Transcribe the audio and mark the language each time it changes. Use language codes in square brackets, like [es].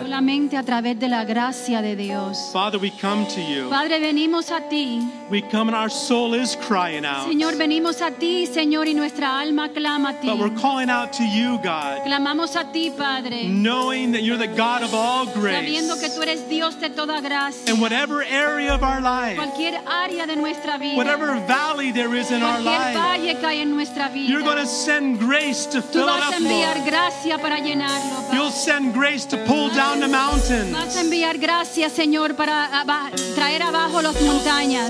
[es] Solamente a través de la gracia de Dios. [en] Father, we come to you. [es] Padre, venimos a ti. [en] We come and our soul is crying out. [es] Señor, venimos a ti, Señor, y nuestra alma clama a ti. [en] But we're calling out to you, God. [es] Clamamos a ti, Padre. [en] Knowing that you're the God of all grace. [es] Sabiendo que tú eres Dios de toda gracia. [en] In whatever area of our life. [es] Cualquier área de nuestra vida. [en] Whatever valley there is in our life. [es] Cualquier valle que hay en nuestra vida. [en] You're going to send grace to fill it up more. [es] Tú vas a enviar gracia para llenarlo. [en] You'll send grace to pull down the mountains. [es] Vas a enviar gracia, Señor, para traer abajo las montañas.